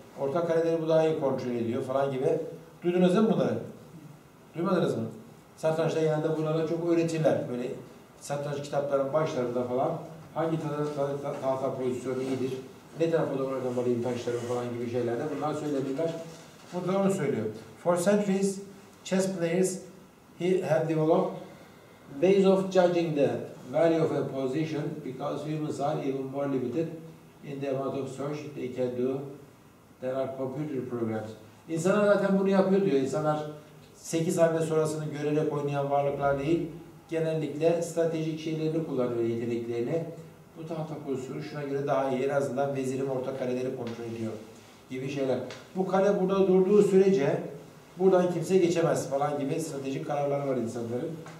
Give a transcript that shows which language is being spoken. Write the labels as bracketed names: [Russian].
[Turkish] Orta kareleri bu daha iyi kontrol ediyor falan gibi. Duydunuz değil mi bunları? Duymadınız mı? Satrançta genelde bunlara çok öğretirler. Böyle satranç kitaplarının başlarında falan. Hangi tahta pozisyonu iyidir? Ne tarafa doğru oynamalıyım taşlarım falan gibi şeylerde. Bunlar söylediler. Burada onu söylüyor. [English] For centuries, chess players have developed ways of judging the value of a position because humans are even more limited in the amount of search they can do than our computer programs. [Turkish] İnsanlar zaten bunu yapıyor diyor. İnsanlar 8 hamle sonrasını görerek oynayan varlıklar değil. Genellikle stratejik şeylerini kullanıyor, yeteneklerini. Bu tahta pozisyonu şuna göre daha iyi. En azından vezirim orta kareleri kontrol ediyor gibi şeyler. Bu kale burada durduğu sürece buradan kimse geçemez falan gibi stratejik kararları var insanların.